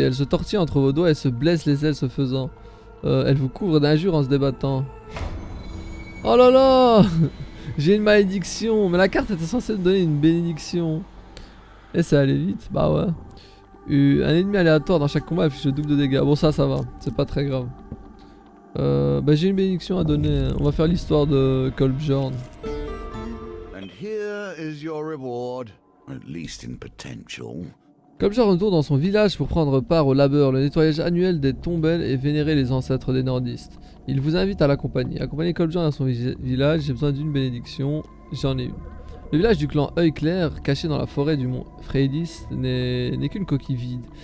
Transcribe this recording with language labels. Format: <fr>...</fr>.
<fr>Elle se tortille entre vos doigts et se blesse les ailes se faisant. Elle vous couvre d'injures en se débattant. Oh là là! J'ai une malédiction. Mais la carte était censée me donner une bénédiction. Et ça allait vite. Bah ouais. Un ennemi aléatoire dans chaque combat affiche le double de dégâts. Bon, ça va. C'est pas très grave. Bah j'ai une bénédiction à donner. On va faire l'histoire de Kolbjorn.</fr> <en>And here is your reward, at least in potential.</en> <fr>Kolbjorn retourne dans son village pour prendre part au labeur, le nettoyage annuel des tombelles et vénérer les ancêtres des nordistes. Il vous invite à l'accompagner. Accompagnez Kolbjorn à son village, j'ai besoin d'une bénédiction, j'en ai une. Le village du clan Œil Clair, caché dans la forêt du mont Freydis, n'est qu'une coquille vide.</fr>